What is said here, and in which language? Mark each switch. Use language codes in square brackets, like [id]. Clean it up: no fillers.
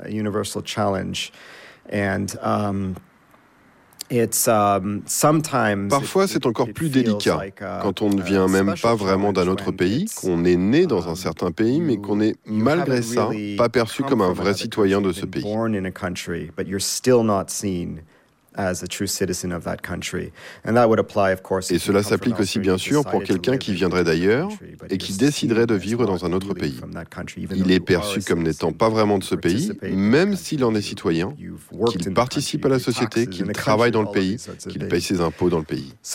[en] Universal challenge. And it's sometimes. [fr] Parfois, c'est encore plus délicat quand on ne vient même pas vraiment d'un autre pays, qu'on est né dans un certain pays, mais qu'on est malgré ça pas perçu comme un vrai citoyen de ce pays. [en] Born in a country, but you're still not seen as a true citizen of that country, and that would apply, of course. [fr] Et cela s'applique aussi bien sûr pour quelqu'un qui viendrait d'ailleurs et qui déciderait de vivre dans un autre pays. Il est perçu comme n'étant pas vraiment de ce pays, même s'il en est citoyen, qu'il participe à la société, qu'il travaille dans le pays, qu'il paye ses impôts dans le pays.